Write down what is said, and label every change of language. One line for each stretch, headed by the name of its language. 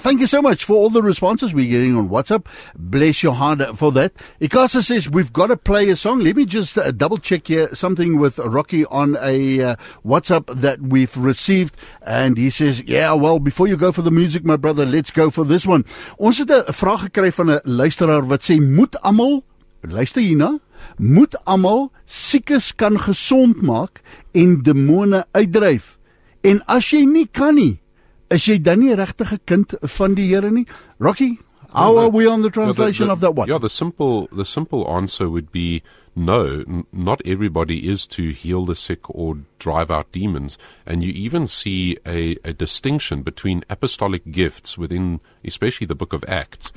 English: Thank you so much for all the responses we're getting on WhatsApp. Bless your heart for that. Ikasa says, we've got to play a song. Let me just double check here something with Rocky on a WhatsApp that we've received. And he says, yeah, well, before you go for the music, my brother, let's go for this one.
Afrikaans: Ons het 'n vraag gekry van 'n luisteraar wat sê, moet almal, luister hierna, moet almal siekes kan gesond maak en demone uitdryf? En as jy nie kan nie, is jy dan nie regtige kind van die Here nie?
English: Rocky, how are we on the translation of that one? Yeah, the simple answer would be, no, not everybody is to heal the sick or drive out demons. And you even see a distinction between apostolic gifts within, especially the book of Acts.